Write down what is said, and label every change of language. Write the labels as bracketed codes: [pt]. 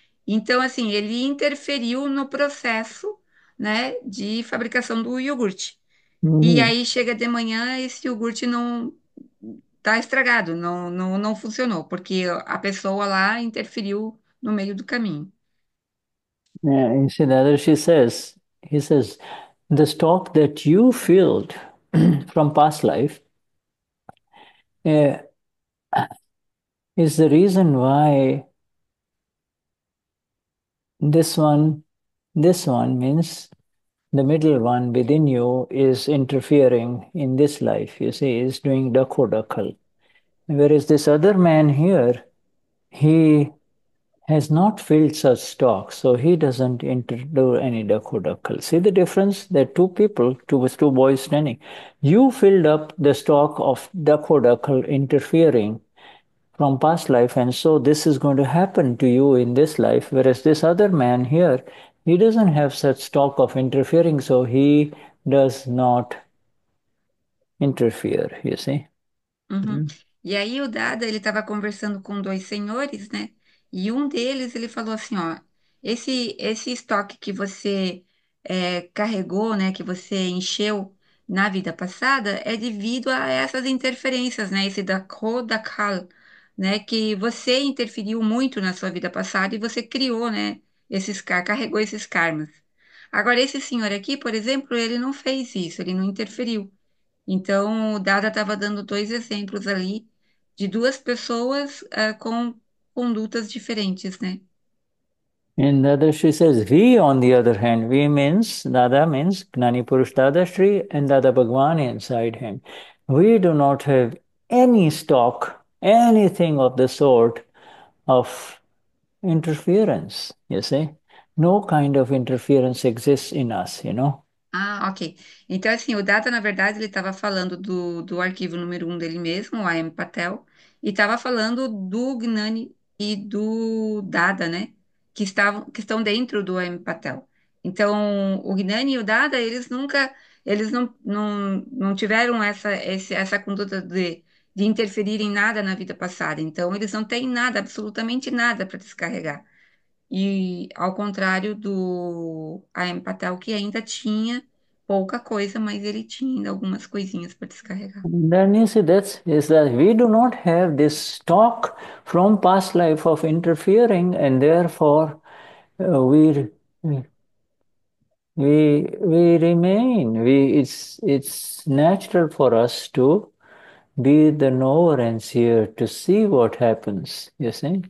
[pt] Então, assim, ele interferiu no processo, né, de fabricação do iogurte. E aí chega de manhã, esse iogurte não tá estragado, não funcionou, porque a pessoa lá interferiu no meio do caminho. [en] Yeah, you see, the other he says, the stock that you filled from past life is the reason why this one means the middle one within you is interfering in this life, you see, is doing dakho-dakhal. Whereas this other man here, he has not filled such stock, so he doesn't do any dakho-dakhal. See the difference? There are two people, two boys standing. You filled up the stock of dakho-dakhal interfering from past life, and so this is going to happen to you in this life, whereas this other man here, he doesn't have such stock of interfering, so he does not interfere, you see. [pt] E aí o Dada, ele estava conversando com dois senhores, né? E um deles, ele falou assim, ó, esse estoque que você carregou, né, que você encheu na vida passada, é devido a essas interferências, né? Esse Dakho, Dakhal, né? Que você interferiu muito na sua vida passada e você criou, né, carregou esses karmas. Agora, esse senhor aqui, por exemplo, ele não fez isso, ele não interferiu. Então, o Dada estava dando dois exemplos ali de duas pessoas, com condutas diferentes, né? [en] And the other, she says, we, on the other hand, we means, Dada means Gnani Purush Tadashri and Dada Bhagwan inside him. We do not have any stock, anything of the sort of interference, you see. No kind of interference exists in us, you know. Ah, ok. [pt] Então, assim, o Dada, na verdade, ele estava falando do arquivo número 1 dele mesmo, o Ayam Patel, e estava falando do Gnani e do Dada, né? Que estão dentro do Ayam Patel. Então, o Gnani e o Dada, eles não tiveram essa conduta de interferir em nada na vida passada. Então, eles não têm nada, absolutamente nada para descarregar. E ao contrário do A.M. Patel, que ainda tinha pouca coisa, mas ele tinha ainda algumas coisinhas para descarregar. [en] That means that we do not have this talk from past life of interfering, and therefore we remain. It's natural for us to be the knower and seer, to see what happens, you see?